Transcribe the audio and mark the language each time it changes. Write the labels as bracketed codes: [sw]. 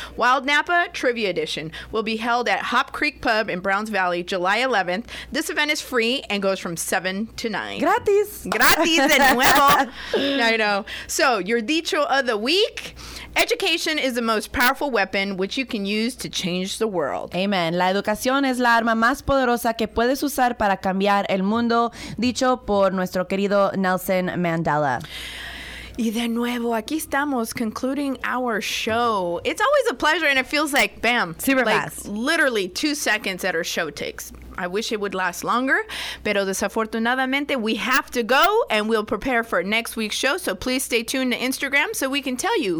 [en] Wild Napa Trivia Edition will be held at Hop Creek Pub in Browns Valley July 11th. This event is free and goes from 7 to 9. [es] Gratis de nuevo. I know. [en] So, your dicho of the week: education is the most powerful weapon which you can use to change the world. Amen. [es] La educación es la arma más poderosa que puedes usar para cambiar el mundo, dicho por nuestro querido Nelson Mandela. Y de nuevo, aquí estamos concluding our show. [en] It's always a pleasure, and it feels like, bam. Super like, fast. Literally 2 seconds that our show takes. I wish it would last longer, pero desafortunadamente, we have to go, and we'll prepare for next week's show. So please stay tuned to Instagram so we can tell you